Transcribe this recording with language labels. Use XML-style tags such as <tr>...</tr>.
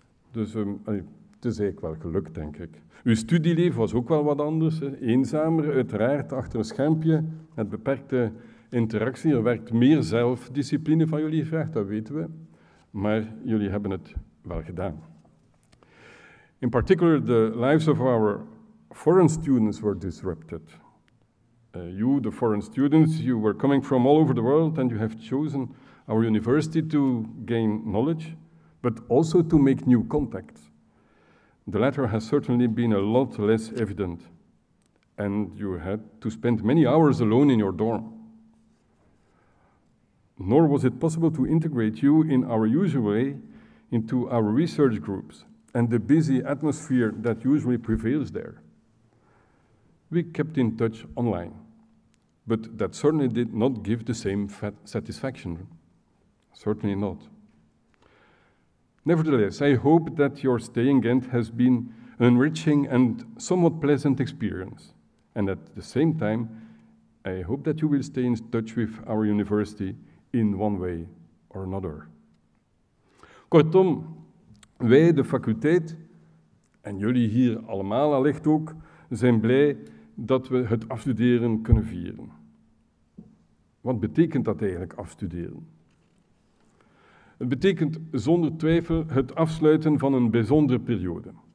<nl>Dus het is eigenlijk wel gelukt, denk ik. Uw studieleven was ook wel wat anders. Hè. Eenzamer, uiteraard, achter een schermpje, met beperkte interactie. Er werkt meer zelfdiscipline van jullie gevraagd, dat weten we. Maar jullie hebben het wel gedaan.</nl> <en>In particular, the lives of our foreign students were disrupted. You, the foreign students, you were coming from all over the world and you have chosen our university to gain knowledge, but also to make new contacts. The latter has certainly been a lot less evident, and you had to spend many hours alone in your dorm. Nor was it possible to integrate you in our usual way into our research groups and the busy atmosphere that usually prevails there. We kept in touch online, but that certainly did not give the same satisfaction. Certainly not. Nevertheless, I hope that your stay in Ghent has been an enriching and somewhat pleasant experience. And at the same time, I hope that you will stay in touch with our university in one way or another.</en> <nl>Kortom, wij, de faculteit, en jullie hier allemaal allicht ook, zijn blij dat we het afstuderen kunnen vieren. Wat betekent dat eigenlijk, afstuderen? Het betekent zonder twijfel het afsluiten van een bijzondere periode.</nl>